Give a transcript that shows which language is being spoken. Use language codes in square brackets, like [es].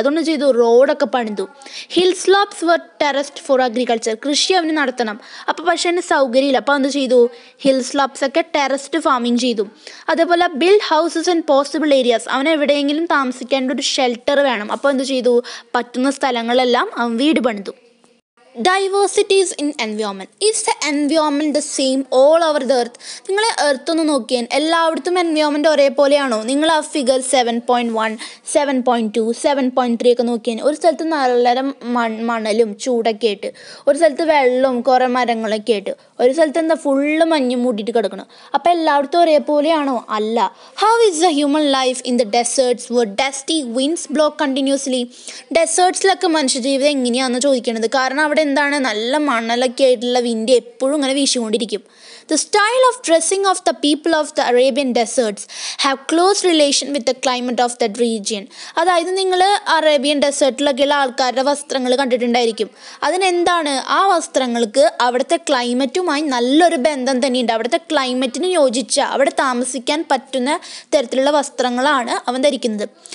[ml] അതുകൊണ്ട് ചെയ്തു റോഡൊക്കെ പണിതു. [en] hill slopes were terraced for agriculture, [ml] കൃഷി അവന് നടത്തണം. അപ്പോൾ പക്ഷേ അതിന് സൗകര്യമില്ല, അപ്പോൾ എന്ത് ചെയ്തു, ഹിൽ സ്ലോപ്സ് ഒക്കെ ടെറസ്ഡ് ഫാമിങ് ചെയ്തു. അതേപോലെ [en] build houses and possible areas, [ml] അവൻ എവിടെയെങ്കിലും താമസിക്കേണ്ട ഒരു ഷെൽട്ടർ വേണം. അപ്പോൾ എന്ത് ചെയ്തു, പറ്റുന്ന സ്ഥലങ്ങളെല്ലാം അവൻ വീട് പണിതു. [en] Diversities in environment. Is the environment the same all over the earth? [ml] നിങ്ങളെ എർത്ത് ഒന്ന് നോക്കിയൻ എല്ലായിടത്തും എൻവയോൺമെന്റ് ഒരേപോലെയാണോ? നിങ്ങൾ ആ ഫിഗർ 7.1, 7.2, 7.3 ഒക്കെ നോക്കിയാൽ ഒരു സ്ഥലത്ത് നല്ല മണലും ചൂടൊക്കെ ആയിട്ട്, ഒരു സ്ഥലത്ത് വെള്ളവും കുറേ മരങ്ങളൊക്കെ ആയിട്ട്, ഒരു സ്ഥലത്ത് എന്താ ഫുള്ള് മഞ്ഞ് മൂടിയിട്ട് കിടക്കണം. അപ്പം എല്ലായിടത്തും ഒരേപോലെയാണോ? അല്ല. [en] How is the human life in the deserts where dusty winds blow continuously? [ml] ഡെസേർട്സിലൊക്കെ മനുഷ്യജീവിതം എങ്ങനെയാണെന്ന് ചോദിക്കണത്, കാരണം അവിടെ എന്താണ് നല്ല മണലൊക്കെ ആയിട്ടുള്ള വിൻഡ് എപ്പോഴും ഇങ്ങനെ വീശിക്കൊണ്ടിരിക്കും. [en] The style of dressing of the people of the Arabian deserts have close relation with the climate of that region. [ml] അതായത് നിങ്ങൾ അറേബ്യൻ ഡെസേർട്ടിലൊക്കെയുള്ള ആൾക്കാരുടെ വസ്ത്രങ്ങൾ കണ്ടിട്ടുണ്ടായിരിക്കും. അതിനെന്താണ്, ആ വസ്ത്രങ്ങൾക്ക് അവിടുത്തെ ക്ലൈമറ്റുമായി നല്ലൊരു ബന്ധം തന്നെയുണ്ട്. അവിടുത്തെ ക്ലൈമറ്റിന് യോജിച്ച അവിടെ താമസിക്കാൻ പറ്റുന്ന തരത്തിലുള്ള വസ്ത്രങ്ങളാണ് അവൻ ധരിക്കുന്നത്.